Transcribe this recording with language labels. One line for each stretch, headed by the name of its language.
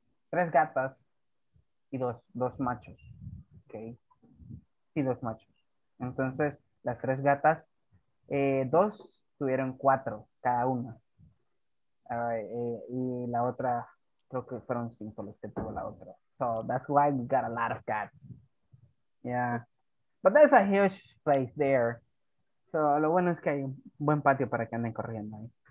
Spanish: tres gatas y dos machos. Okay. Y dos machos. Entonces, las tres gatas, dos tuvieron cuatro cada una. Y la otra, creo que fueron cinco los que tuvo la otra.
English: So that's why we got a lot of cats. Yeah. But there's a huge place there.
Spanish: So lo bueno es que hay un buen patio para que anden corriendo ahí.